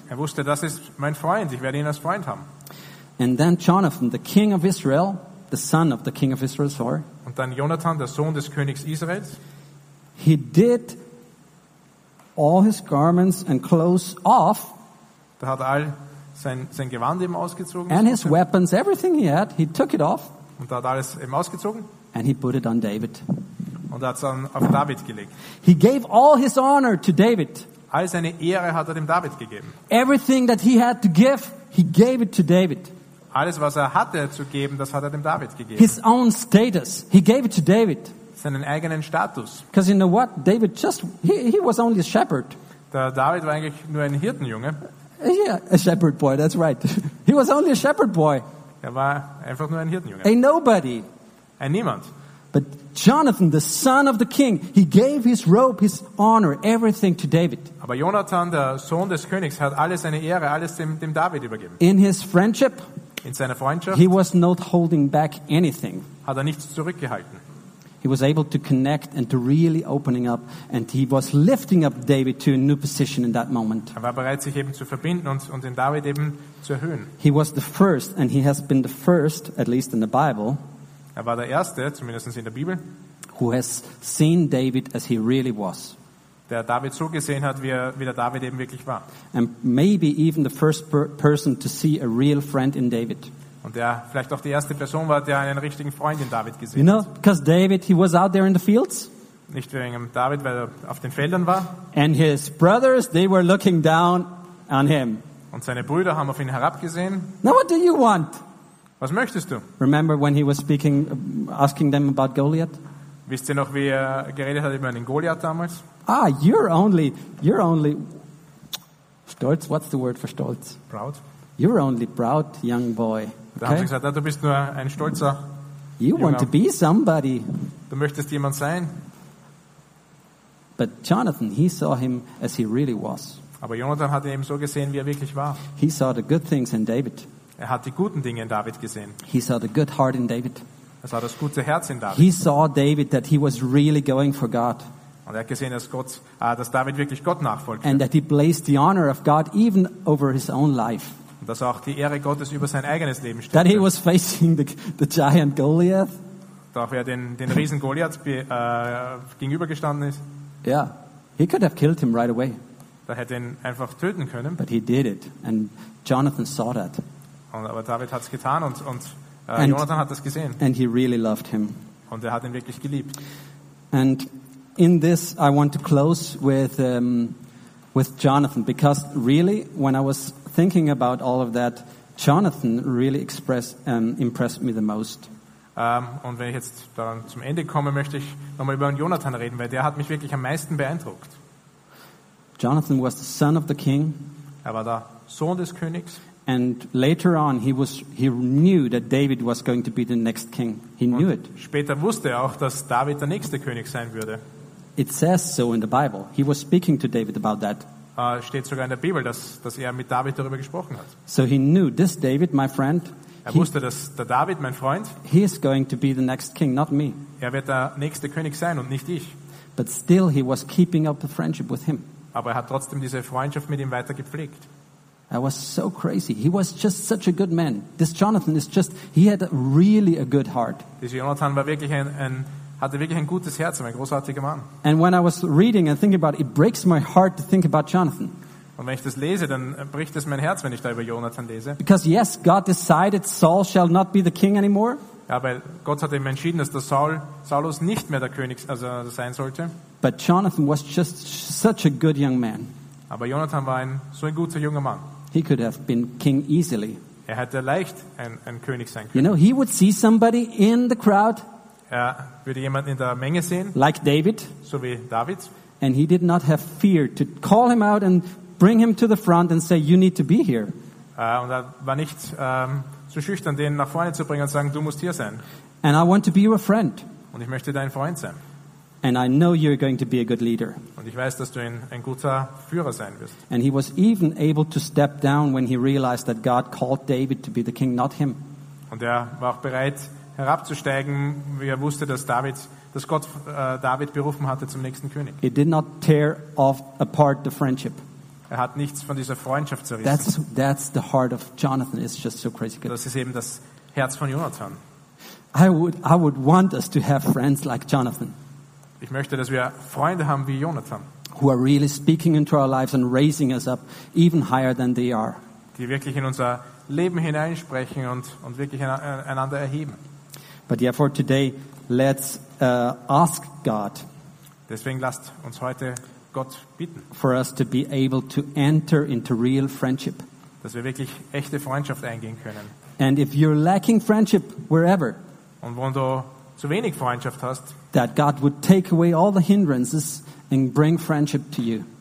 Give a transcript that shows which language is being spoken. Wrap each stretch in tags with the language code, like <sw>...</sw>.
<de>Er wusste, das ist mein Freund. Ich werde ihn als Freund haben.</de> <en>And then Jonathan, the king of Israel, the son of the king of Israel, sorry.</en> <de>Und dann Jonathan, der Sohn des Königs Israels.</de> <en>He did all his garments and clothes off.</en> <de>Da hat all sein Gewand eben ausgezogen.</de> <en>And his weapons, everything he had, he took it off.</en> <de>Und da hat alles eben ausgezogen.</de> <en>And he put it on David.</en> <de>Und hat es dann auf David gelegt.</de> <en>He gave all his honor to David.</en> <de>All seine Ehre hat dem David gegeben.</de> <en>Everything that he had to give, he gave it to David.</en> <de>Alles was hatte zu geben, das hat dem David gegeben.</de> <en>His own status, he gave it to David.</en> <de>Seinen eigenen Status.</de> <en>Because you know what, David just he was only a shepherd.</en> <de>Der David war eigentlich nur ein Hirtenjunge.</de> <en>Yeah, a shepherd boy. That's right. He was only a shepherd boy.</en> <de>Er war einfach nur ein Hirtenjunge.</de> <en>A nobody.</en> <de>Ein niemand.</de> <en>But Jonathan, the son of the king, he gave his robe, his honor, everything to David.</en> <de>Aber Jonathan, der Sohn des Königs, hat alles seine Ehre, alles dem David übergeben.</de> <en>In his friendship,</en> <de>in seiner Freundschaft,</de> <en>he was not holding back anything.</en> <de>Hat nichts zurückgehalten.</de> <en>He was able to connect and to really opening up, and he was lifting up David to a new position in that moment.</en> <de>Er war bereit, sich eben zu verbinden und den David eben zu erhöhen.</de> <en>He was the first, and he has been the first, at least in the Bible.</en> <de>Er war der Erste, zumindest in der Bibel,</de> <en>who has seen David as he really was.</en> <de>Der David so gesehen hat, wie der David eben wirklich war.</de> <en>And maybe even the first person to see a real friend in David.</en> <de>Und der vielleicht auch die erste Person war, der einen richtigen Freund in David gesehen hat.</de> <en>You know, because David, he was out there in the fields.</en> <de>Nicht wegen David, weil er auf den Feldern war.</de> <en>And his brothers, they were looking down on him.</en> <de>Und seine Brüder haben auf ihn herabgesehen.</de> <en>Now what do you want?</en> <de>Was möchtest du?</de> <en>Remember when he was speaking, asking them about Goliath?</en> <de>Wisst ihr noch, wie er geredet hat über den Goliath damals?</de> <en>Ah, you're only stolz. What's the word for stolz? Proud. You're only proud young boy.</en> <de>Da haben sie gesagt, du bist nur ein stolzer.</de> <en>You want to be somebody.</en> <de>Du möchtest jemand sein.</de> <en>But Jonathan, he saw him as he really was.</en> <de>Aber Jonathan hat ihn eben so gesehen, wie er wirklich war.</de> <en>He saw the good things in David.</en> <de>Er hat die guten Dinge in David gesehen.</de> <en>He saw the good heart in David.</en> <de>Er sah das gute Herz in David.</de> <en>He saw David that he was really going for God.</en> <de>Und er hat gesehen, dass David wirklich Gott nachfolgte.</de> <en>And that he placed the honor of God even over his own life.</en> <de>Dass auch die Ehre Gottes über sein eigenes Leben steht.</de> <en>That he was facing the giant Goliath.</en> <de>Doch er den riesen Goliath gegenübergestanden ist.</de> <en>Yeah, he could have killed him right away.</en> <de>Da hätte ihn einfach töten können.</de> <en>But he did it, and Jonathan saw that.</en> <de>Aber David hat es getan und Jonathan hat das gesehen.</de> <en>And he really loved him.</en> <de>Und er hat ihn wirklich geliebt.</de> <en>And in this, I want to close with Jonathan, because really, when I was thinking about all of that, Jonathan really impressed me the most.</en> <de>Und wenn ich jetzt dann zum Ende komme, möchte ich nochmal über Jonathan reden, weil der hat mich wirklich am meisten beeindruckt.</de> <en>Jonathan was the son of the king.</en> <de>Er war der Sohn des Königs.</de> <en>And later on, he knew that David was going to be the next king. He</en> <de>und</de> <en>knew it.</en> <de>Später wusste er auch, dass David der nächste König sein würde.</de> <en>It says so in the Bible. He was speaking to David about that.</en> <de>Steht sogar in der Bibel, dass er mit David darüber gesprochen hat.</de> <en>So he knew this David, my friend.</en> <de>Er wusste, dass der David, mein Freund.</de> <en>He is going to be the next king, not me.</en> <de>Er wird der nächste König sein und nicht ich.</de> <en>But still, he was keeping up the friendship with him.</en> <de>Aber er hat trotzdem diese Freundschaft mit ihm weiter gepflegt.</de> <en>That was so crazy. He was just such a good man. This Jonathan is just—he had really a good heart.</en> <de>Dieser Jonathan war wirklich hatte wirklich ein gutes Herz, ein großartiger Mann.</de> <en>And when I was reading and thinking about it, it breaks my heart to think about Jonathan.</en> <de>Und wenn ich das lese, dann bricht es mein Herz, wenn ich da über Jonathan lese.</de> <en>Because yes, God decided Saul shall not be the king anymore.</en> <de>Ja, weil Gott hat eben entschieden, dass der Saulus nicht mehr der König sein sollte.</de> <en>But Jonathan was just such a good young man.</en> <de>Aber Jonathan war ein so ein guter junger Mann.</de> <en>He could have been king easily.</en> <de>Er hätte leicht ein König sein können.</de> <en>You know, he would see somebody in the crowd.</en> <de>Er würde jemanden in der Menge sehen.</de> <en>Like David.</en> <de>So wie David.</de> <en>And he did not have fear to call him out and bring him to the front and say, you need to be here.</en> <de>Und er war nicht so schüchtern, den nach vorne zu bringen und sagen, du musst hier sein.</de> <en>And I want to be your friend.</en> <de>Und ich möchte dein Freund sein.</de> <en>And I know you're going to be a good leader.</en> <de>Und ich weiß, dass du ein guter Führer sein wirst.</de> <en>And he was even able to step down when he realized that God called David to be the king, not him.</en> <de>Und er war auch bereit, herabzusteigen, wie er wusste, dass David, dass Gott David berufen hatte zum nächsten König.</de> <en>It did not tear off apart the friendship.</en> <de>Er hat nichts von dieser Freundschaft zerrissen.</de> <en>That's the heart of Jonathan. It's just so crazy good.</en> <de>Das ist eben das Herz von Jonathan.</de> <en>I would want us to have friends like Jonathan.</en> <de>Ich möchte, dass wir Freunde haben wie Jonathan.</de> <en>Who are really speaking into our lives and raising us up even higher than they are.</en> <de>Die wirklich in unser Leben hineinsprechen und wirklich einander erheben.</de> <en>But yeah, for today, let's ask God.</en> <de>Deswegen lasst uns heute Gott bitten.</de> <en>For us to be able to enter into real friendship.</en> <de>Dass wir wirklich echte Freundschaft eingehen können.</de> <en>And if you're lacking friendship wherever,</en> <de>und wenn du zu wenig Freundschaft hast,</de> <en>that God would take away all the hindrances and bring friendship to you.</en>